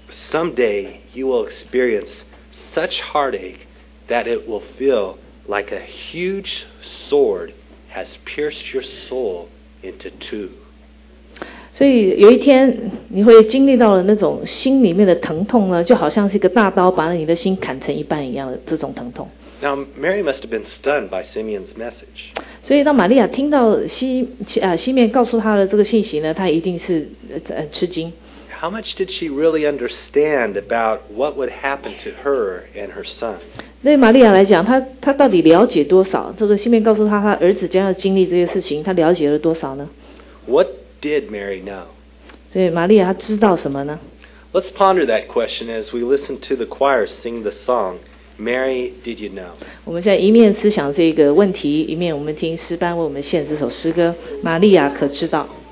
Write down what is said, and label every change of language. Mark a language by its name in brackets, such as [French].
[English] Someday you will experience such heartache that it will feel like a huge sword has pierced your soul into two. [Chinese] 所以有一天你会经历到了那种心里面的疼痛呢，就好像是一个大刀把你的心砍成一半一样的这种疼痛。 [English] Now, Mary must have been stunned by Simeon's message. [Chinese] 所以当玛利亚听到西面告诉她的这个信息呢，她一定是吃惊。 [English] How much did she really understand about what would happen to her and her son? [Chinese] 对玛利亚来讲，她到底了解多少？这个西面告诉她儿子将要经历这些事情，她了解了多少呢？ [English] What? Did Mary know? [Chinese] 所以玛利亚她知道什么呢? [English] Let's ponder that question as we listen to the choir sing the song, Mary, did you know? [Chinese] 我们现在一面思想这个问题，一面我们听诗班为我们献这首诗歌，玛利亚可知道。